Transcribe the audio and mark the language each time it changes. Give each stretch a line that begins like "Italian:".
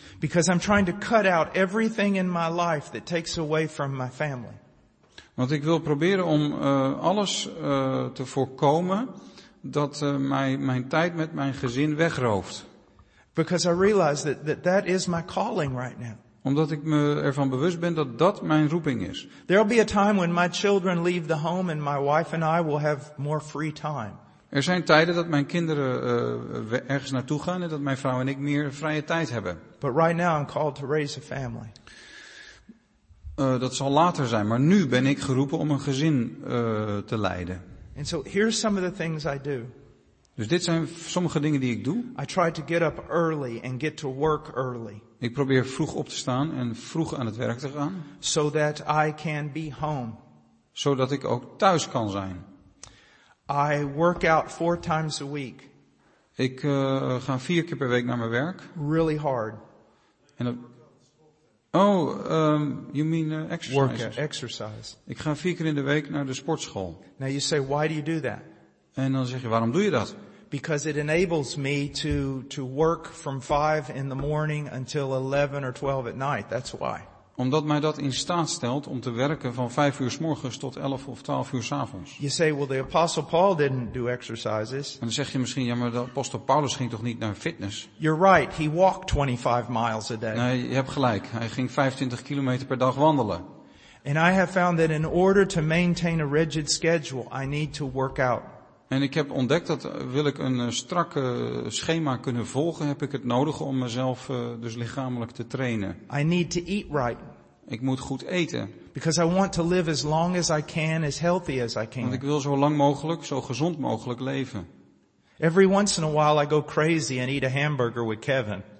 English: Because I'm trying to cut out everything in my life that takes away from my family.
Dutch: Want ik wil proberen om alles te voorkomen dat mijn tijd met mijn gezin wegrooft.
English: Because I realize that is my calling right now.
Dutch: Omdat ik me ervan bewust ben dat dat mijn roeping is.
English: There'll be a time when my children leave the home and my wife and I will have more free time.
Dutch: Er zijn tijden dat mijn kinderen ergens naartoe gaan en dat mijn vrouw en ik meer vrije tijd hebben.
English: But right now I'm called to raise a family.
Dutch: Dat zal later zijn, maar nu ben ik geroepen om een gezin te leiden.
English: And so here's some of the things I do.
Dutch: Dus dit zijn sommige dingen die ik doe.
English: I try to get up early and get to work early.
Dutch: Ik probeer vroeg op te staan en vroeg aan het werk te gaan.
English: So that I can be home.
Dutch: Zodat ik ook thuis kan zijn.
English: I work out 4 times a week.
Dutch: Ik ga 4 keer per week naar mijn werk.
English: Really hard.
Dutch: En dat...
English: Oh, you mean exercise? Work out, exercise.
Dutch: Ik ga 4 keer in de week naar de sportschool.
English: Now you say, why do you do that?
Dutch: En dan zeg je, waarom doe je dat?
English: Because it enables me to work from 5 in the morning until 11 or 12 at night. That's why.
Dutch: Omdat mij dat in staat stelt om te werken van 5 uur 's morgens tot 11 of 12 uur 's avonds.
English: You say, well, the Apostle Paul didn't do exercises.
Dutch: En dan zeg je misschien, ja, maar de Apostel Paulus ging toch niet naar fitness?
English: You're right, he walked 25 miles a day.
Dutch: Nee, je hebt gelijk. Hij ging 25 kilometer per dag wandelen.
English: And I have found that in order to maintain a rigid schedule, I need to work out.
Dutch: En ik heb ontdekt dat wil ik een strakke schema kunnen volgen, heb ik het nodig om mezelf dus lichamelijk te trainen.
English: I need to eat right.
Dutch: Ik moet goed eten.
English: Because I want to live as long as I can, as healthy as I can.
Dutch: Want ik wil zo lang mogelijk, zo gezond mogelijk leven.
English: Every once in a while I go crazy and eat a hamburger with Kevin.